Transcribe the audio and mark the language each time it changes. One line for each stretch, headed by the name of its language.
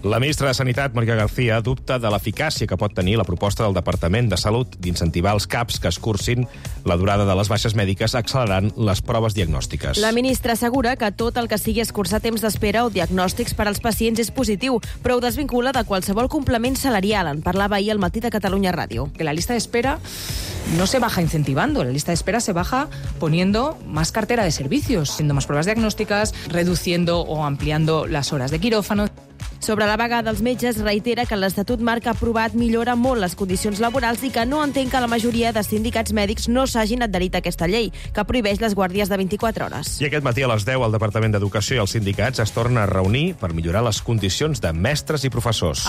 Catalan: La ministra de Sanitat, Mònica García, dubta de l'eficàcia que pot tenir la proposta del Departament de Salut d'incentivar els CAPs que escurcin la durada de les baixes mèdiques accelerant les proves diagnòstiques. La ministra assegura que tot el que sigui escurçar temps d'espera o diagnòstics per als pacients és positiu, però ho desvincula de qualsevol complement salarial. En parlava ahir al Matí de Catalunya Ràdio.
Spanish: Que la lista d'espera no se baja incentivando, la lista d'espera se baja poniendo más cartera de servicios, haciendo más pruebas diagnósticas, reduciendo o ampliando las horas de quirófano.
Catalan: Sobre la vaga dels metges, reitera que l'Estatut Marc aprovat millora molt les condicions laborals i que no entén que la majoria de sindicats mèdics no s'hagin adherit a aquesta llei, que prohibeix les guàrdies de 24 hores. I aquest matí a les 10, el Departament d'Educació i els sindicats es tornen a reunir per millorar les condicions de mestres i professors.